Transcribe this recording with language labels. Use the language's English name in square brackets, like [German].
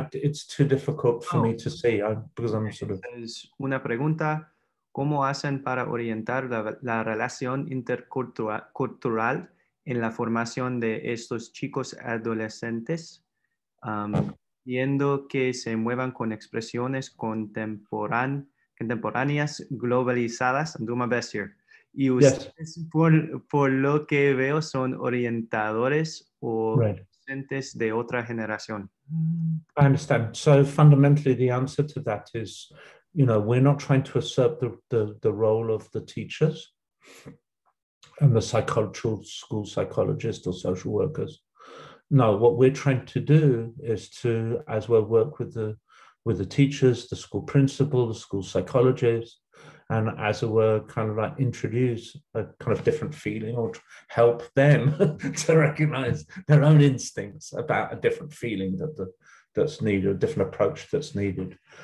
[English] It's too difficult for me to see because I'm sort of. [Spanish] Es una pregunta. ¿Cómo hacen para orientar la relación intercultural en la formación de estos chicos adolescentes, viendo que se muevan con expresiones contemporáneas globalizadas? [English] I'm doing my best here. [Spanish] Y ustedes, yes. por lo que veo, son orientadores o right. De otra generación. [English] I understand. So fundamentally, the answer to that is you know, we're not trying to assert the role of the teachers and the psychological school psychologist or social workers. No, what we're trying to do is to, as well, work with the teachers, the school principal, the school psychologist, and as it were, kind of like introduce a kind of different feeling or help them to recognize their own instincts about a different feeling that the, that's needed, a different approach that's needed.